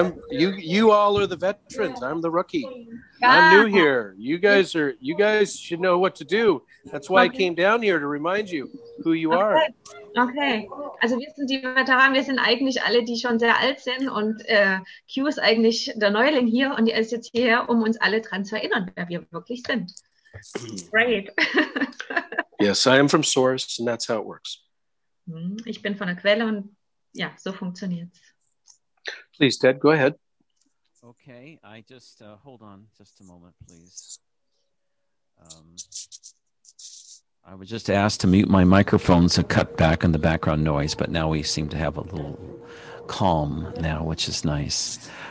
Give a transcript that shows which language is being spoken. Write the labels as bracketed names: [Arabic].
[English] You all are the veterans. I'm the rookie. I'm new here. You guys should know what to do. That's why I came down here, to remind you who you are. Okay. [German] Also wir sind die Veteranen. Wir sind eigentlich alle, die schon sehr alt sind. Und Q ist eigentlich der Neuling hier. Und er ist jetzt hier, um uns alle dran zu erinnern, wer wir wirklich sind. [English] Great. Yes, I am from Source, and that's how it works. [German] Ich bin von der Quelle, und ja, so funktioniert's. [English] Please, Ted, go ahead. Okay, I just hold on just a moment, please. I was just asked to mute my microphone to cut back on the background noise, but now we seem to have a little calm now, which is nice.